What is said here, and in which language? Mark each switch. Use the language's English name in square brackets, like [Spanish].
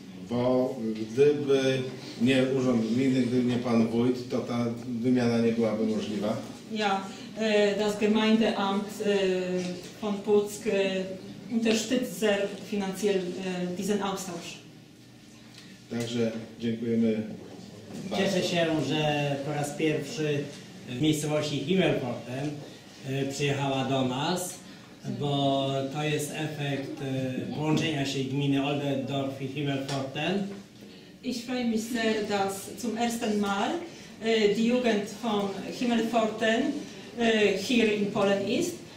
[Polish] Bo gdyby nie urząd gminy, gdyby nie pan wójt, to ta wymiana nie byłaby możliwa. [German] Ja, das Gemeindeamt von Puck unterstützt sehr finanziell diesen Austausch. [Polish] Także dziękujemy bardzo. Cieszę się, że po raz pierwszy w miejscowości Himmelforten przyjechała do nas, bo to jest efekt połączenia się gminy Oldendorf i Himmelforten. [German] Ich freue mich sehr, dass zum ersten Mal die Jugend von Himmelforten hier in Polen ist.